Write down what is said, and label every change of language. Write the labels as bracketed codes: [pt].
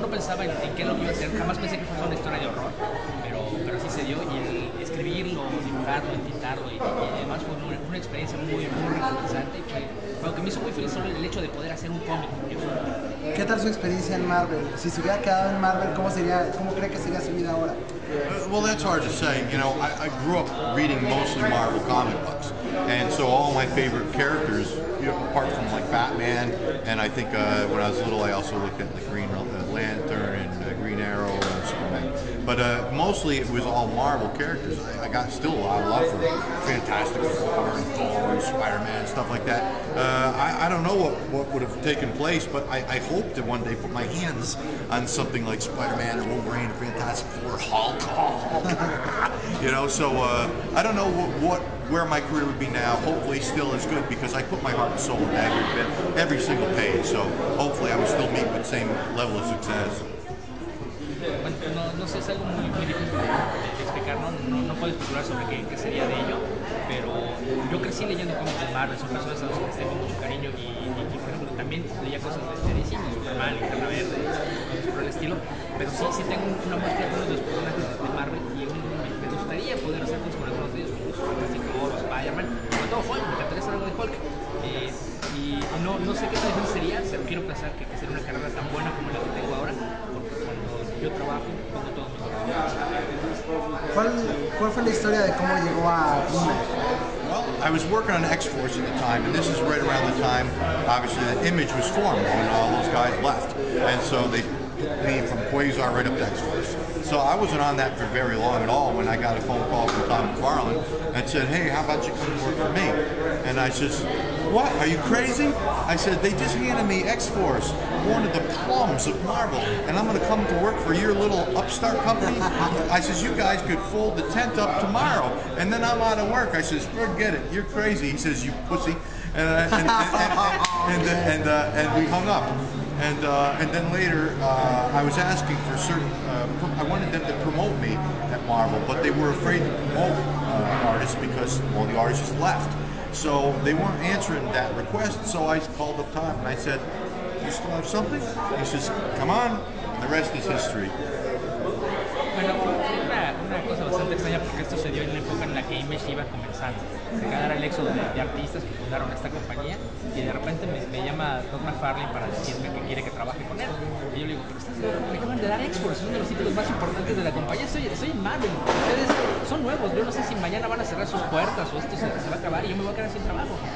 [es] No pensaba en qué lo iba a hacer, jamás pensé que fuera una historia de horror, pero así se dio, y el escribirlo, dibujarlo, editarlo y además fue una experiencia muy recompensante, y fue algo que me hizo muy feliz solo el hecho de poder hacer un cómic. ¿Qué tal su experiencia en Marvel? Si se hubiera quedado en Marvel, ¿cómo cree que sería su vida ahora? [en] Well, that's hard to say. You know, I grew up reading mostly Marvel comic books, and so all my favorite characters, you know, apart from like Batman, and I think when I was little, I also looked at the Green Lantern and Green Arrow and Superman. But mostly it was all Marvel characters. I got still a lot of love for Fantastic Four and Thor and Spider-Man and stuff like that. I don't know what would have taken place, but I hope to one day put my hands on something like Spider-Man or Wolverine or Fantastic Four, Hulk. You know, so I don't know where my career would be now. Hopefully still as good, because I put my heart and soul in that every single page. So hopefully I would still meet with the same level of success. [es] No sé, es algo muy difícil de explicar, no puedo especular sobre qué sería de ello, pero yo crecí leyendo cómics de Marvel, son personas a los que tengo mucho cariño, y por ejemplo también leía cosas de DC, como Superman, Linterna Verde, cosas por el estilo, pero sí tengo una muestra de los personajes de Marvel, y me gustaría poder hacer cosas con algunos de ellos, como Superman, Spider-Man, sobre todo Hulk, me encantaría hacer algo de Hulk. Y no sé qué tal sería, pero quiero pensar que sería una carrera tan buena como la que tengo ahora, porque cuando yo trabajo, pongo todo mi trabajo. ¿Cuál fue la historia de cómo llegó a Image? [en] Well, I was working on X-Force at the time, and this is right around the time, obviously, that Image was formed when all those guys left. And so they put me from Quasar right up to X-Force. So I wasn't on that for very long at all when I got a phone call from Tom McFarlane and said, hey, how about you come and work for me? And I says, what, are you crazy? I said, they just handed me X-Force, one of the plums of Marvel, and I'm gonna come to work for your little upstart company? I says, you guys could fold the tent up tomorrow, and then I'm out of work. I says, forget it, you're crazy. He says, you pussy. And we hung up. And then later, I was asking for certain, I wanted them to promote me at Marvel, but they were afraid to promote artists because, well, the artists just left. So they weren't answering that request, so I called up Tom and I said, you still have something? He says, come on, and the rest is history. [es] Bueno, una cosa bastante extraña, porque esto se dio en la época en la que Image iba comenzando. Acá era el éxodo de artistas que fundaron esta compañía, y de repente me llama Doug McFarlane para decirme que quiere que trabaje con él. Y yo le digo, pero estás loco, me acaban de dar X-Force, es uno de los títulos más importantes de la compañía, soy Marvel, ustedes son nuevos, yo no sé si mañana van a cerrar sus puertas o esto se va a acabar y yo me voy a quedar sin trabajo.